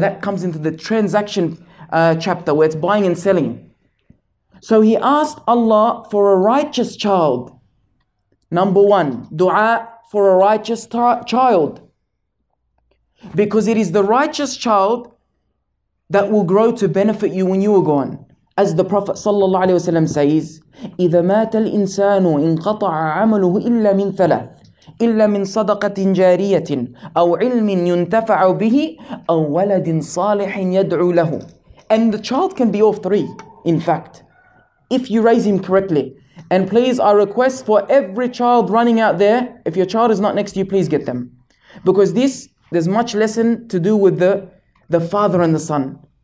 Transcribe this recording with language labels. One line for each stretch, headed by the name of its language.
English: That comes into the transaction chapter where it's buying and selling. So he asked Allah for a righteous child. Number one, dua for a righteous child. Because it is the righteous child that will grow to benefit you when you are gone. As the Prophet sallallahu alaihi wasallam says,
Arabic: إِذَا مَاتَ الْإِنسَانُ إِنْقَطَعَ عَمَلُهُ إِلَّا مِنْ ثَلَاثٍ إِلَّا مِنْ صَدَقَةٍ جَارِيَةٍ أَوْ عِلْمٍ يُنْتَفَعُ بِهِ أَوْ وَلَدٍ صَالِحٍ يَدْعُو لَهُ.
English: And the child can be of three, in fact, if you raise him correctly. And please, I request for every child running out there, if your child is not next to you, please get them. Because this, there's much lesson to do with the father and the son.